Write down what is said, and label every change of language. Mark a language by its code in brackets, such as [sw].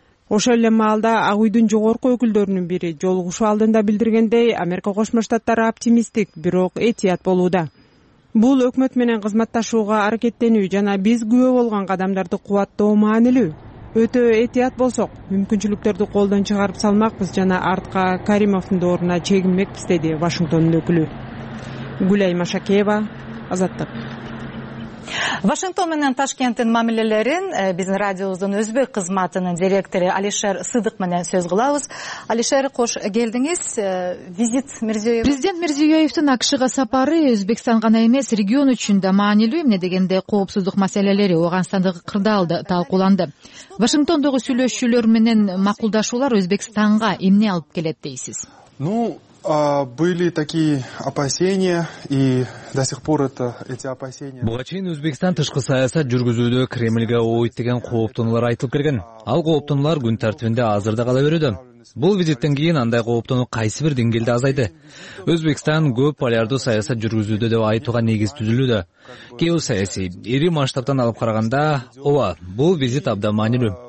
[ky] Ошол эле маалда Ак Үйдүн жогорку өкүлдөрүнүн бири жолугушуу алдында билдиргендей, Америка Кошмо Штаттары оптимисттик, бирок этият болууда. Бул өкмөт менен кызматташууга аракеттенүү жана биз күбө болгон кадамдарды кубаттоо маанилүү. Өтө этият болсок, мүмкүнчүлүктөрдү колдон чыгарып салмакпыз жана артка Каримовдун доруна чегинмекпиз, деди Вашингтондун өкүлү. Гүлайма Шакеева, Азаттык. Вашингтон менен Ташкенттин мамилелерин биздин радиобуздун өзбек кызматынын директору Алишер Сыдык менен сөз кылабыз. Алишер, кош келдиңиз. Визит Мирзиёев. Президент Мирзиёевдин АКШга сапары Өзбекстан гана эмес, регион үчүн да маанилүү. Эмне дегенде, коопсуздук маселелери Ооганстандагы кырдаалда талкууланды. Вашингтондогу сүйлөшүүлөр менен макулдашуулар Өзбекстанга эмне алып келет дейсиз? [ru] Были такие опасения и до сих пор эти опасения. [ky] Буга чейин Өзбекстан тышкы саясат жүргүзүүдө Кремльге ойт деген кооптонулар айтылып келген. Ал кооптонулар күн тартибинде азырда кала берүүдө. Бул визиттен кийин андай кооптонуу кайсы бир деңгээлде азайды. Өзбекстан көп полярдуу саясат жүргүзүүдө деп айтууга негиз түзүлүүдө. Геосаясий, ири масштабтан алып караганда, ооба, бул визит абдан маанилүү.